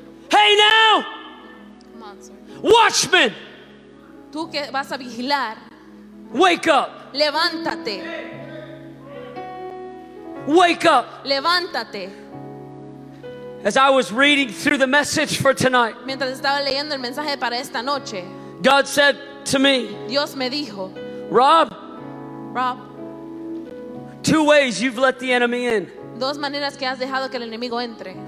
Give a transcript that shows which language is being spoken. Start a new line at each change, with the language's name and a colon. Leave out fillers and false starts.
English: Hey now. Come on, sir. Watchmen.
Spanish: Tú que vas a vigilar.
English: Wake up.
Spanish: Levántate.
English: Wake up.
Spanish: Levántate.
English: As I was reading through the message for tonight,
Spanish: mientras estaba leyendo el mensaje para esta noche,
English: God said to me,
Spanish: Dios me dijo,
English: Rob, two ways you've let the enemy in.
Spanish: Dos maneras que has dejado que el enemigo entre.